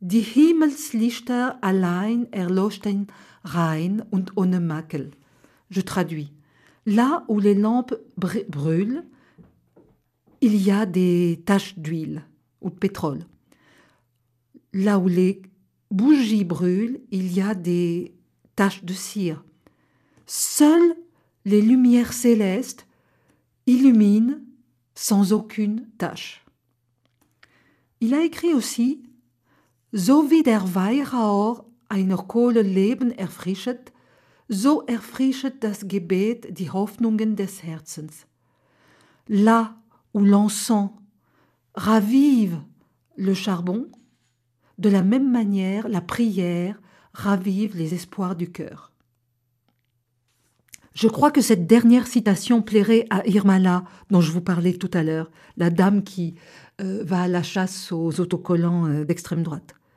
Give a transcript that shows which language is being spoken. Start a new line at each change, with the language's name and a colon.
German: Die Himmelslichter allein erloschten rein und ohne Makel.
French: Je traduis. Là où les lampes brûlent, il y a des taches d'huile ou de pétrole. Là où les bougies brûlent, il y a des taches de cire. Seules les lumières célestes illuminent sans aucune tache. Il a écrit aussi
German: So wie der Weihrauch einer Kohle Leben erfrischet, so erfrischet das Gebet die Hoffnungen des Herzens.
French: Là où l'encens ravive le charbon, de la même manière, la prière ravive les espoirs du cœur. Je crois que cette dernière citation plairait à Irmala, dont je vous parlais tout à l'heure, la dame qui va à la chasse aux autocollants d'extrême droite.